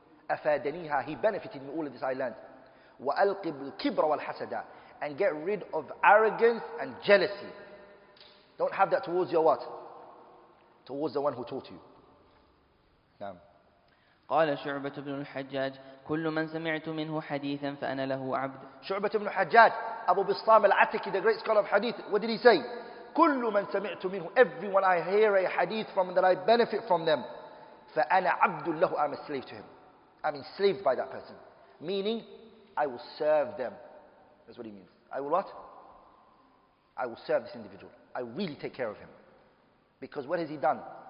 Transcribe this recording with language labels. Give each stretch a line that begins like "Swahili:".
Arabic: أَفَادَنِيهَا,
English: he benefited me all of this island.
Arabic: وَأَلْقِبْ الْكِبْرَ وَالْحَسَدًا,
English: and get rid of arrogance and jealousy. Don't have that towards your what? Towards the one who taught you.
Arabic: نعم. قال شعبة بن الحجاج كل من سمعت منه حديثا فأنا له عبد.
English: شعبة بن الحجاج, أبو بسام العتكي, the great scholar of hadith, what did he say?
Arabic: كل من سمعت منه,
English: everyone I hear a hadith from that I benefit from them,
Arabic: فأنا عبد له,
English: I'm a slave to him. I'm enslaved by that person. Meaning, I will serve them. That's what he means. I will what? I will serve this individual. I really take care of him. Because what has he done?